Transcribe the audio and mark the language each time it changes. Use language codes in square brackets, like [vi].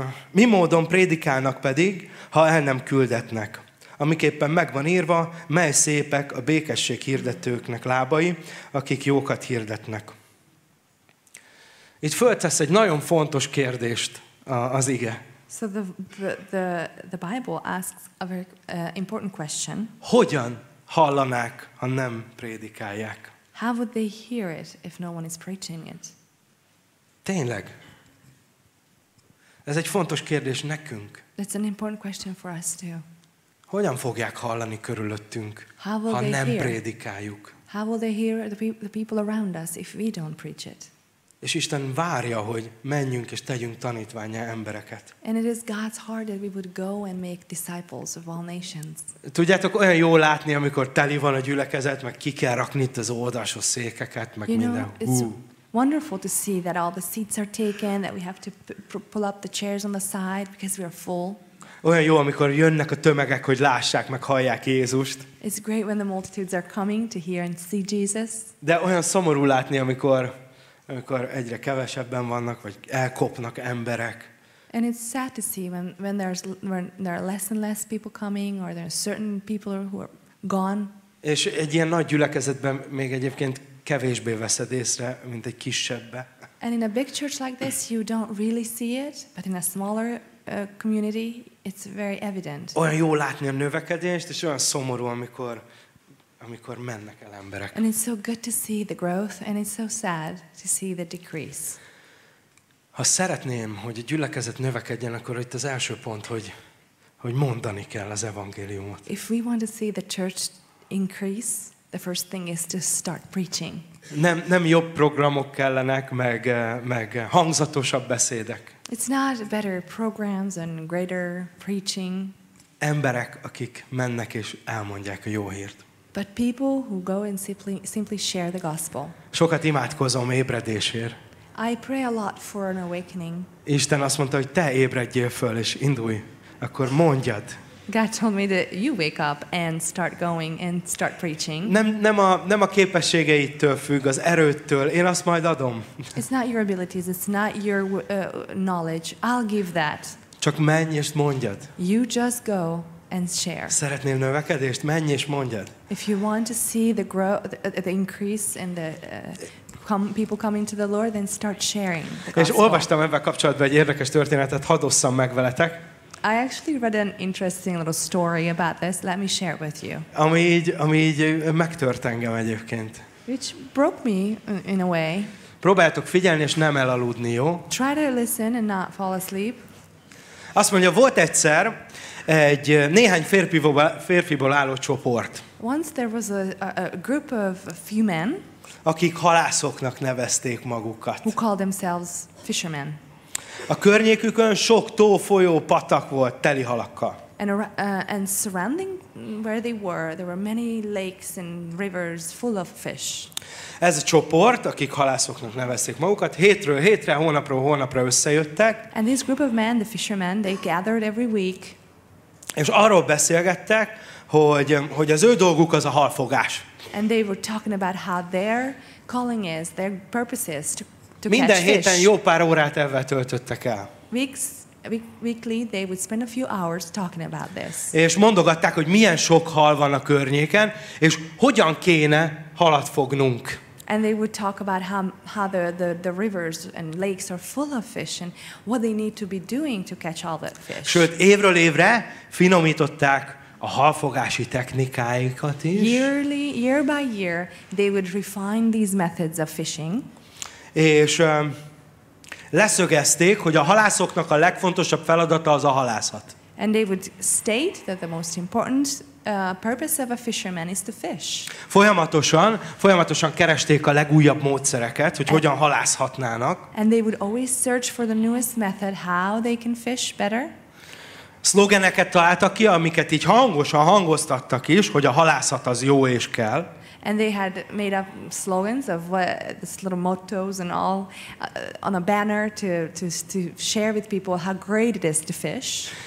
[hu] Mi módon prédikálnak pedig, ha el nem küldetnek? Amiképpen megvan írva, mely szépek a békesség hirdetőknek lábai, akik jókat hirdetnek. Itt föltesz egy nagyon fontos kérdést az ige. [en] So the Bible asks a very important question. [hu] Hogyan hallanák, ha nem prédikálják? [en] How would they hear it if no one is preaching it? [hu] Tényleg. Ez egy fontos kérdés nekünk. [en] That's an important question for us too. [hu] Hogyan fogják hallani körülöttünk, ha nem prédikáljuk? [en] How will they hear the people around us if we don't preach it? [hu] És Isten várja, hogy menjünk és tegyünk tanítvánnyá embereket. [en] And it is God's heart that we would go and make disciples of all nations. [hu] Tudjátok, olyan jó látni, amikor teli van a gyülekezet, meg ki kell rakni itt az oldalsó székeket, meg [en] you [hu] minden. [en] Know, it's wonderful to see that all the seats are taken, that we have to pull up the chairs on the side because we are full. [hu] Olyan jó, amikor jönnek a tömegek, hogy lássák, meg hallják Jézust. [en] It's great when the multitudes are coming to hear and see Jesus. [hu] De olyan szomorú látni, amikor egyre kevesebben vannak, vagy elkopnak emberek. [en] And it's sad to see when there are less and less people coming, or there are certain people who are gone. [hu] És egy ilyen nagy gyülekezetben még egyébként kevésbé veszed észre, mint egy kisebbe. [en] And in a big church like this, you don't really see it, but in a smaller community, it's very evident. [hu] Olyan jó látni a növekedést, és olyan szomorú, amikor mennek el emberek. [en] And it's so good to see the growth, and it's so sad to see the decrease. [hu] Ha szeretném, hogy a gyülekezet növekedjen, akkor itt az első pont, hogy mondani kell az evangéliumot. [en] If we want to see the church increase, the first thing is to start preaching. [hu] Nem jobb programok kellenek, meg hangzatosabb beszédek. [en] It's not better programs and greater preaching. [hu] Emberek, akik mennek és elmondják a jó hírt. [en] But people who go and simply share the gospel. [hu] Sokat imádkozom ébredésért. [en] I pray a lot for an awakening. [hu] Isten azt mondta, hogy te ébredjél föl és indulj, akkor mondjad. [en] God told me that you wake up and start going and start preaching. [hu] Nem a képességeidtől függ, az erőttől. Én azt majd adom. [en] It's not your abilities, it's not your knowledge. I'll give that. [hu] Csak menj és mondjad. [en] You just go and share. [hu] Szeretnél növekedést? Menj és mondjad. [en] If you want to see the increase in the people coming to the Lord, then start sharing. [hu] És olvastam ebben kapcsolatban egy érdekes történetet, hadd osszam meg veletek. [en] I actually read an interesting little story about this. Let me share it with you. [hu] Ami így megtört engem egyébként. [en] Which broke me in a way. [hu] Próbáljátok figyelni és nem elaludni, jó? [en] Try to listen and not fall asleep. [hu] Azt mondja, volt egyszer egy néhány férfiból álló csoport. [en] Once there was a group of a few men. [hu] Akik halászoknak nevezték magukat. [en] Who called themselves fishermen. [hu] A környékükön sok tó, folyó, patak volt teli halakkal. [en] And surrounding where they were, there were many lakes and rivers full of fish. [hu] Ez a csoport, akik halászoknak nevezték magukat, hétről hétre, hónapról hónapra összejöttek. [en] And this group of men, the fishermen, they gathered every week. [hu] És arról beszélgettek, hogy az ő dolguk az a halfogás. [en] And they were talking about how their calling is, their purpose is to [hu] minden héten [en] fish. [hu] Jó pár órát ebben töltöttek el. [en] Weekly they would spend a few hours talking about this. [hu] És mondogatták, hogy milyen sok hal van a környéken, és hogyan kéne halat fognunk. [en] And they would talk about how the rivers and lakes are full of fish and what they need to be doing to catch all that fish. [hu] Sőt, évről évre finomították a halfogási technikáikat is. [en] Year by year they would refine these methods of fishing. [hu] És leszögezték, hogy a halászoknak a legfontosabb feladata az a halászat. [en] And they would state that the most important purpose of a fisherman is to fish. [hu] Folyamatosan keresték a legújabb módszereket, hogy hogyan halászhatnának. [en] And they would always search for the newest method how they can fish better. [hu] Szlogeneket találtak ki, amiket így hangosan hangoztattak is, hogy a halászat az jó és kell. [en] And they had made up slogans of what these little mottos and all on a banner to share with people how great it is to fish.